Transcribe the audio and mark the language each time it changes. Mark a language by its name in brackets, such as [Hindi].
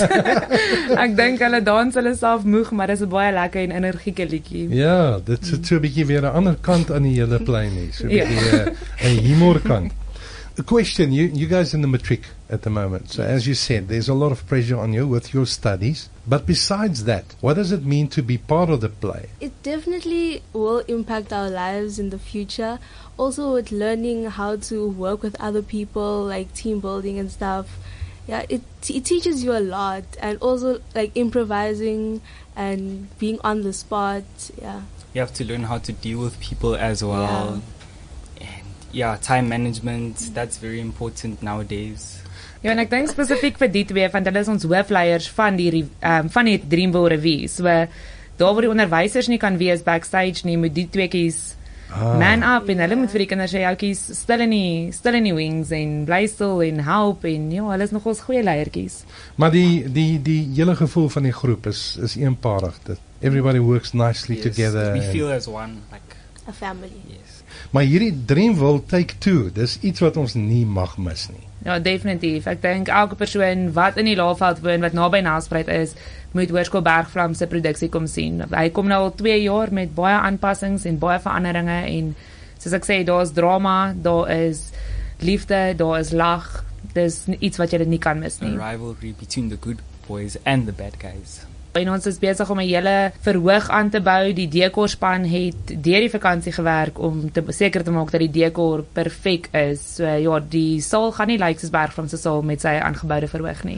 [Afrikaans] Ek dink hulle dans hulle self moeg, maar dis 'n baie lekker en energieke liedjie. Ja, dit is so 'n bietjie weer 'n ander kant aan die hele plein hier, so 'n bietjie 'n humor kant. [English] A question, you guys in the matric at the moment. So as you said, there's a lot of pressure on you with your studies. But besides that, what does it mean to be part of the play? It definitely will impact our lives in the future. Also with learning how to work with other people, like team building and stuff. Yeah, it teaches you a lot. And also like improvising and being on the spot. Yeah. You have to learn how to deal with people as well. Yeah. Ja, time management, that's very important nowadays. [Afrikaans] Ja, en ek dink spesifiek vir die twee, want hulle is ons hoofleiers van die Dreamville Revue. So, daar waar die onderwysers nie kan wees backstage nie, moet die twee kies man up en hulle moet vir die kinders sê, jou kies stil in die wings en bly stil en help en ja, hulle is nog ons goeie leierkies. Maar die hele gevoel van die groep is eenparig. [English] Dat everybody works nicely yes. together. We feel as one, like a family. Yes. [Afrikaans] Maar hierdie Dreamville Take 2, dis iets wat ons nie mag mis nie. Ja, definitief. Ek dink elke persoon wat in die Laagveld woon, wat naby Nelspruit is, moet Hoërskool Bergvlam se produksie kom sien. Hy kom nou al 2 jaar met baie aanpassings en baie veranderinge en soos ek sê, daar is drama, daar is liefde, daar is lag. Dis iets wat jy nie kan mis nie. [English] A rivalry between the good boys and the bad guys. [Afrikaans] En ons is besig om 'n hele verhoog aan te bou. Die dekorspan het deur die vakansie gewerk om te seker te maak dat die dekor perfek is. So ja, die saal gaan nie lyk soos Bergvlam se saal met sy aangeboude verhoog nie.